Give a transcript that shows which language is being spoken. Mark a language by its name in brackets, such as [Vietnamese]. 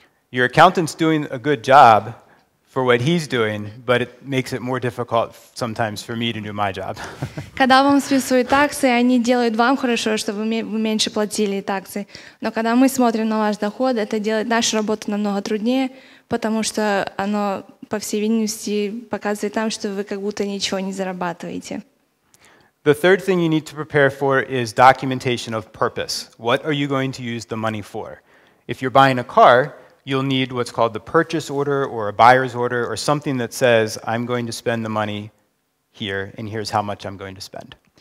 [English] Your accountant's doing a good job for what he's doing, but it makes it more difficult sometimes for me to do my job. [Russian] Когда вам списывают таксы, они делают вам хорошо, чтобы вы меньше платили таксы. Но когда мы смотрим на ваш доход, это делает нашу работу намного труднее, потому что оно, по всей видимости, показывает нам, что вы как будто ничего не зарабатываете. [English] The third thing you need to prepare for is documentation of purpose. What are you going to use the money for? If you're buying a car, you'll need what's called the purchase order or a buyer's order or something that says, I'm going to spend the money here and here's how much I'm going to spend.